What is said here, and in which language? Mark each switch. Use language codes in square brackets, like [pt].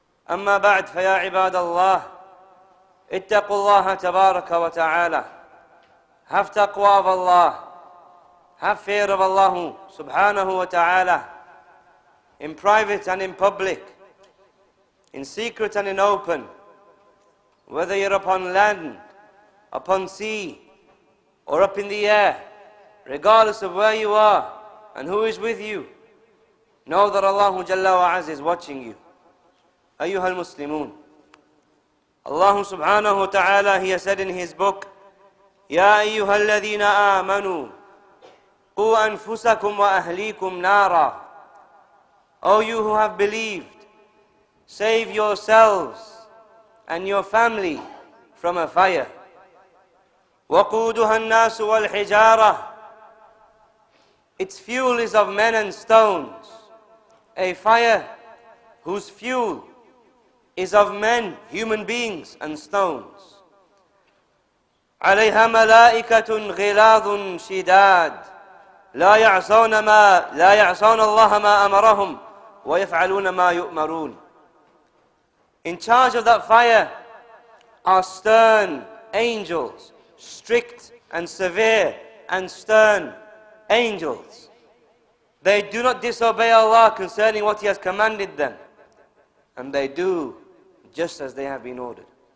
[ar] أما بعد، فيا عباد الله، اتقوا الله تبارك وتعالى، [en] Have تقوى بالله، have fear بالله سبحانه وتعالى، in private and in public, in secret and in open, whether you're upon land, upon sea, or up in the air, regardless of where you are and who is with you, know that Allah Jalla wa Azza is watching you. [ar] أيها المسلمون، الله سبحانه وتعالى هي [en] said in his book، [ar] يا أيها الذين آمنوا قوا أنفسكم وأهليكم نارا. [en] O you who have believed, save yourselves and your family from a fire. [ar] وقودها الناس والحجارة. [en] Its fuel is of men and stones. A fire whose fuel is of men, human beings, and stones. [ar] عليها ملائكة غلاظ شداد لا يعصون الله ما أمرهم ويفعلون ما يؤمرون. [en] In charge of that fire are stern angels, strict and severe and stern angels. They do not disobey Allah concerning what He has commanded them, and they do just as they have been ordered.